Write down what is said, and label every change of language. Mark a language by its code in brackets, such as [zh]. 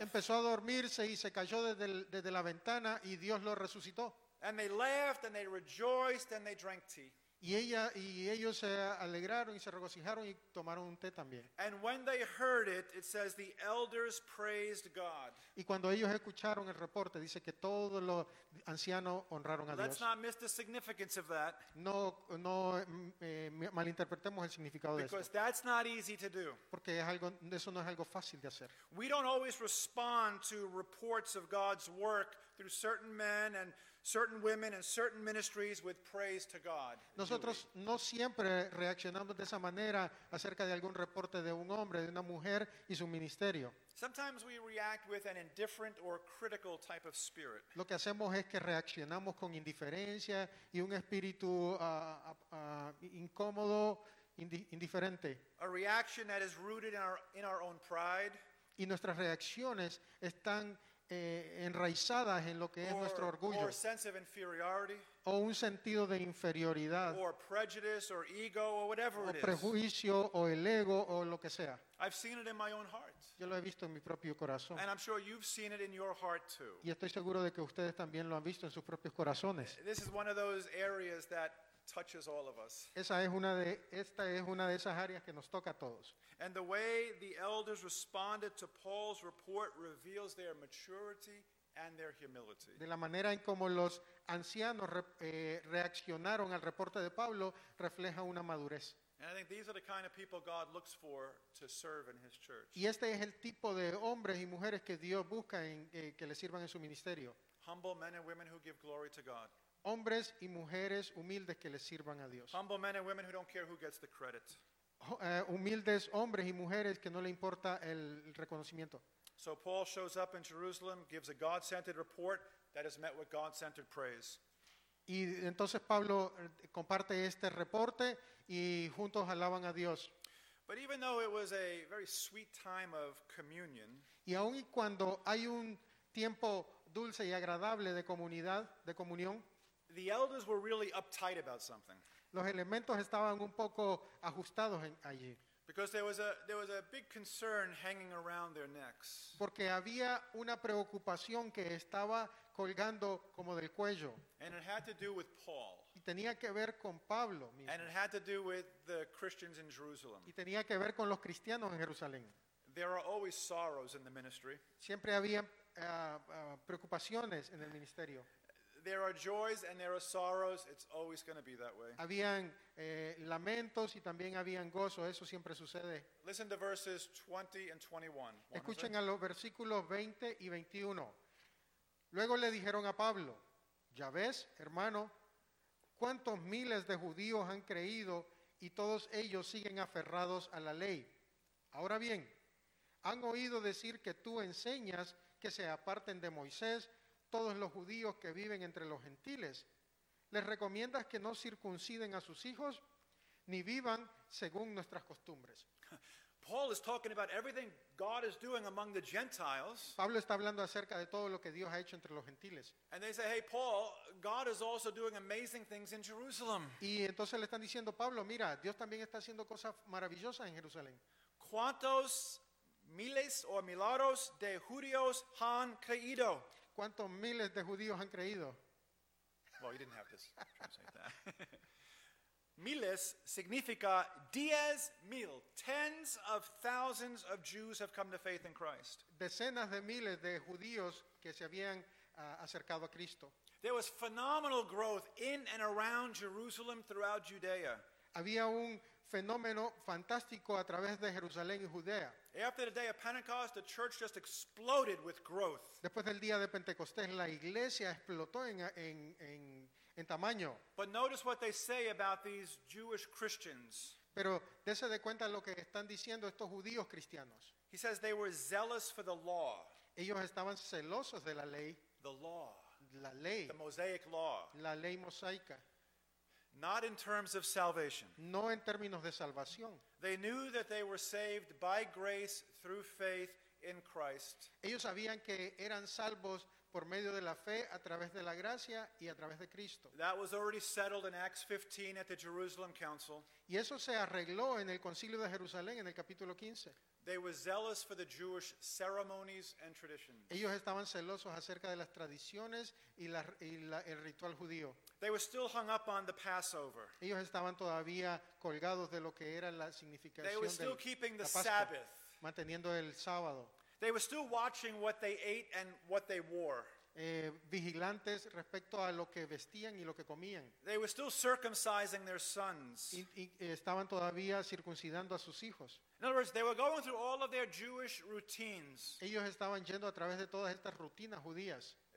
[es] Empezó a dormirse y se cayó desde la ventana y Dios lo resucitó. [en] And they laughed and they rejoiced and they drank tea. [es] Y ellos se alegraron y se regocijaron y tomaron un té también. [en] And when they heard it, it says the elders praised God. [es] Y cuando ellos escucharon el reporte, dice que todos los ancianos honraron a Dios. [en] Let's not miss the significance of that. [es] No malinterpretemos el significado de eso. [en] Because that's not easy to do. [es] Porque eso no es algo fácil de hacer. [en] We don't always respond to reports of God's work through certain men and certain women and certain ministries with praise to God. [es] Nosotros no siempre reaccionamos de esa manera acerca de algún reporte de un hombre, de una mujer y su ministerio. [en] Sometimes we react with an indifferent or critical type of spirit. [es] Lo que hacemos es que reaccionamos con indiferencia y un espíritu incómodo, indiferente. [en] A reaction that is rooted in our own pride. [es] Y nuestras reacciones están enraizadas en lo que es nuestro orgullo, [en] or sense of inferiority, [es] o un sentido de inferioridad, [en] or prejudice, or ego, or whatever [es] o prejuicio, [en] it is, [es] o el ego, o lo que sea. [en] I've seen it in my own heart. [es] Yo lo he visto en mi propio corazón. [en] And I'm sure you've seen it in your heart too. [es] Y estoy seguro de que ustedes también lo han visto en sus propios corazones. [en] This is one of those areas that touches all of us. [es] Esta es una de esas áreas que nos toca a todos. [en] And the way the elders responded to Paul's report reveals their maturity and their humility. [es] De la manera en como los ancianos reaccionaron al reporte de Pablo refleja una madurez. [en] And I think these are the kind of people God looks for to serve in His church. [es] Y este es el tipo de hombres y mujeres que Dios busca en que le sirvan en su ministerio. [en] Humble men and women who give glory to God. [es] Hombres y mujeres humildes que le sirvan a Dios. [en] Humble men and women who don't care who gets the credit. [es] Humildes hombres y mujeres que no le importa el reconocimiento. [en] So Paul shows up in Jerusalem, gives a God-centered report that is met with God-centered praise. [es] Y entonces Pablo comparte este reporte y juntos alaban a Dios. [en] But even though it was a very sweet time of communion, [es] y aun y cuando hay un tiempo dulce y agradable de comunidad, de comunión, [en] the elders were really uptight about something. [es] Los elementos estaban un poco ajustados allí. [en] Because there was a big concern hanging around their necks. [es] Porque había una preocupación que estaba colgando como del cuello. [en] And it had to do with Paul. [es] Y tenía que ver con Pablo mismo. [en] And it had to do with the Christians in Jerusalem. [es] Y tenía que ver con los cristianos en Jerusalén. [en] There are always sorrows in the ministry. [es] Siempre había preocupaciones en el ministerio. [en] There are joys and there are sorrows. It's always going to be that way. [es] Habían lamentos y también habían gozo. Eso siempre sucede. [en] Listen to verses 20 and 21. [es] Escuchen a los versículos 20 y 21. Luego le dijeron a Pablo, ya ves, hermano, cuántos miles de judíos han creído y todos ellos siguen aferrados a la ley. Ahora bien, han oído decir que tú enseñas que se aparten de Moisés todos los judíos que viven entre los gentiles. ¿Les recomiendas que no circunciden a sus hijos ni vivan según nuestras costumbres? [en] Paul is talking about everything God is doing among the Gentiles. [es] Pablo está hablando acerca de todo lo que Dios ha hecho entre los gentiles. [en] And they say, hey, Paul, God is also doing amazing things in Jerusalem. [es] Y entonces le están diciendo, Pablo, mira, Dios también está haciendo cosas maravillosas en Jerusalén. ¿Cuántos miles o milagros de judíos han creído? ¿Cuántos miles de judíos han creído? [en] Well, you didn't have to [es] Miles significa diez mil. [en] Tens of thousands of Jews have come to faith in Christ. [es] Decenas de miles de judíos que se habían acercado a Cristo. [en] There was phenomenal growth in and around Jerusalem throughout Judea. [es] Había un fenómeno fantástico a través de Jerusalén y Judea. [en] After the day of Pentecost, the church just exploded with growth. [es] Después del día de Pentecostés, la iglesia explotó en tamaño. [en] But notice what they say about these Jewish Christians. [es] Pero dése de cuenta lo que están diciendo estos judíos cristianos. [en] He says they were zealous for the law. [es] Ellos estaban celosos de la ley. [en] The law. [es] La ley. [en] The Mosaic law. [es] La ley mosaica. [en] Not in terms of salvation. [es] No en términos de salvación. [en] They knew that they were saved by grace through faith in Christ. [es] Ellos sabían que eran salvos por medio de la fe a través de la gracia y a través de Cristo. [en] That was already settled in Acts 15 at the Jerusalem Council. [es] Y eso se arregló en el Concilio de Jerusalén en el capítulo 15. [en] They were zealous for the Jewish ceremonies and traditions. [es] Ellos estaban celosos acerca de las tradiciones y el ritual judío. [en] They were still hung up on the Passover. [es] Ellos estaban todavía colgados de lo que era la significación del [en] Sabbath. They were still keeping the Sabbath. [es] Manteniendo el sábado. [en] They were still watching what they ate and what they wore. [es] Vigilantes respecto a lo que vestían y lo que comían. [en] They were still circumcising their sons. [es] Estaban todavía circuncidando a sus hijos. [en] In other words, they were going through all of their Jewish routines. [es] Ellos estaban yendo a través de todas estas rutinas judías.